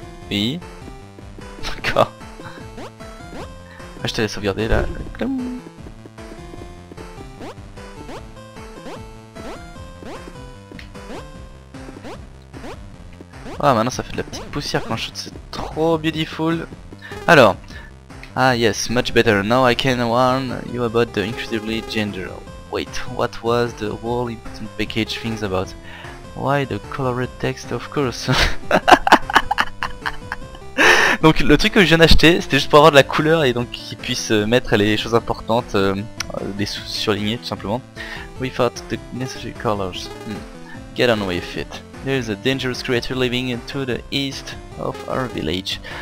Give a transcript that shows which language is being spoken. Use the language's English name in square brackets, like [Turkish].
[French] Oui. D'accord. Je t'allais sauvegarder là. Ah, oh, maintenant ça fait de la petite poussière quand je shoot. C'est trop beautiful. Alors. [English] Ah yes, much better. Now I can warn you about the incredibly dangerous. Wait, what was the whole important package things about? Why the colored text, of course. [French] Donc le truc que je viens d'acheter, c'était juste pour avoir de la couleur et donc qu'ils puissent mettre les choses importantes, les surlignées tout simplement. [English] Without the necessary colors. Get on with it. There is a dangerous creature living to the east of our village.